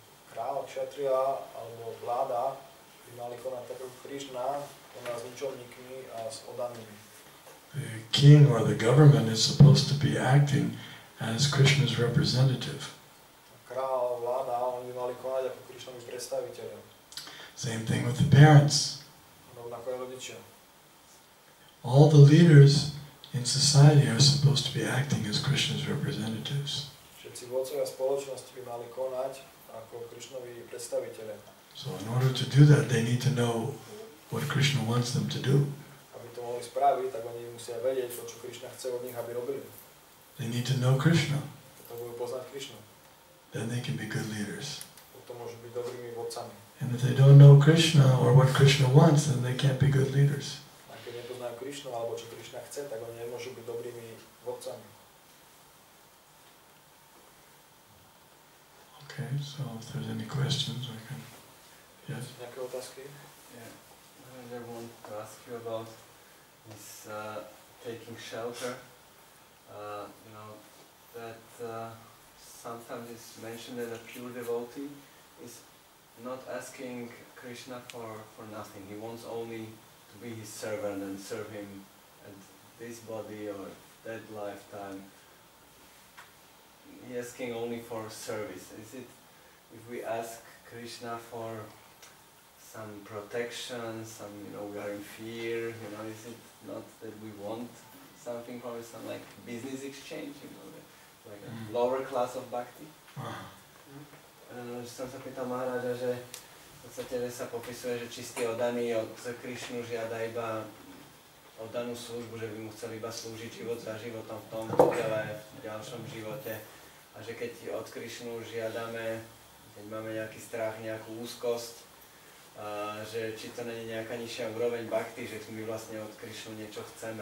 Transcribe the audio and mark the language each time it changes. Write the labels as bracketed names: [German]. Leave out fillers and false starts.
[Slovak] Kráľ, kšatria alebo vláda by mali konať tak ako Krishna, konať s ničovníkmi a s oddanými. [English] The king or the government is supposed to be acting as Krishna's representative. [Slovak] Kráľ, vláda, oni by mali konať ako Krishnovi predstaviteľa. [English] Same thing with the parents. [Slovak] Rovnako aj rodičia. [English] All the leaders in society are supposed to be acting as Krishna's representatives. [Slovak] Všetci vodcovia spoločnosti by mali konať ako Krishnovi predstaviteľe. [English] So in order to do that, they need to know what Krishna wants them to do. [Slovak] Aby to mohli spraviť, tak oni musia vedieť, čo Krishna chce od nich, aby robili. [English] They need to know Krishna. [Slovak] Potrebujú poznať Krishna. [English] Then they can be good leaders. [Slovak] Potom môžu byť dobrými vodcami. [English] And if they don't know Krishna or what Krishna wants, then they can't be good leaders. [Slovak] Krishna alebo čo Krishna chce, tak oni nemôžu byť dobrými vodcami. [English] Okay, so if there's any questions, I can. Yes. [Slovak] Nejaké otázky? [English] Yeah. I want to ask you about this taking shelter. You know that sometimes it's mentioned that a pure devotee is not asking Krishna for nothing. He wants only to be his servant and serve him at this body or that lifetime. He's asking only for service. Is it, if we ask Krishna for some protection, some, you know, we are in fear, you know, is it not that we want something from it, some like business exchange, you know, like a lower class of bhakti? [Slovak] Som sa pýtal Maharaja, že v podstate sa popisuje, že čistý oddaný od Krišnu žiada iba oddanú službu, že by mu chcel iba slúžiť život za životom v tom tele, v ďalšom živote. A že keď od Krišnu žiadame, keď máme nejaký strach, nejakú úzkosť, že či to není nejaká nižšia úroveň bhakti, že my vlastne od Krišnu niečo chceme.